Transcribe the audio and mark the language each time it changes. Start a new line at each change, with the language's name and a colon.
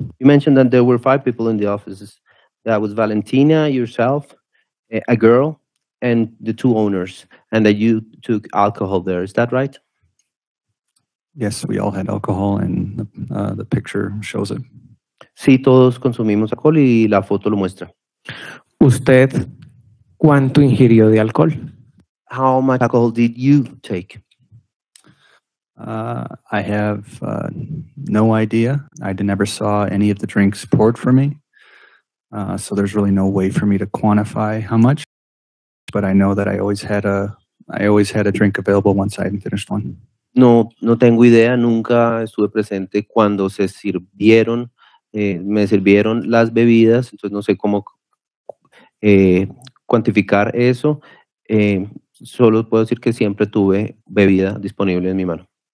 English: You mentioned that there were 5 people in the offices. That was Valentina, yourself, a girl, and the 2 owners. And that you took alcohol there. Is that right? Yes, we all had alcohol and the picture shows it.
Spanish: Sí, todos consumimos alcohol y la foto lo muestra. ¿Usted cuánto ingirió de alcohol?
English: How much alcohol did you take? I have no idea. I never saw any of the drinks poured for me. So there's really no way for me to quantify how much. But I know that I always had a drink available once I had finished one.
Spanish: No tengo idea. Nunca estuve presente cuando se sirvieron, me sirvieron las bebidas. Entonces no sé cómo cuantificar eso. Solo puedo decir que siempre tuve bebida disponible en mi mano.